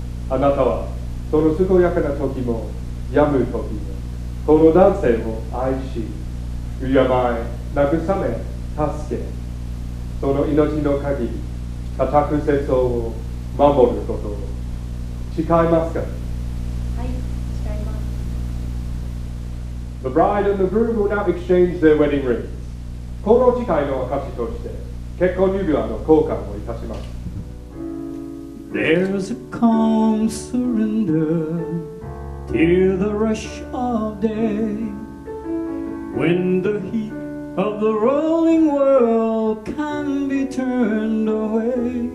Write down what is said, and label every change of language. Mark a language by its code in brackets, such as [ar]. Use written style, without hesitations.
[ja] あなたはその健やかな時も病む時もこの男性を愛し、敬え、慰め、助け、その命の限り固く節操を守ることを誓いますか。 [en] The bride and the groom will now exchange their wedding rings. [ja] この誓いの証として結婚指輪の交換をいたします。 [en] There's a calm surrender to the rush of day when the heat of the rolling world can be turned away.